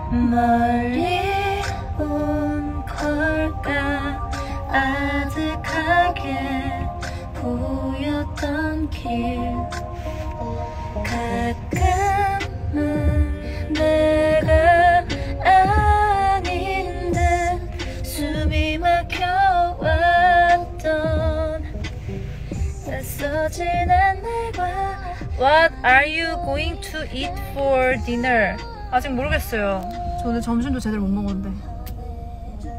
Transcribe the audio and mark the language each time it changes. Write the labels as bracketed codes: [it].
[ko] 멀리 온 걸까 아득하게 보였던 길 가끔은 내가 아닌 듯 숨이 막혀왔던 애써 지난 날과 [en] What are you going to eat for dinner? [ko] 아직 모르겠어요. 저 오늘 점심도 제대로 못 먹었는데.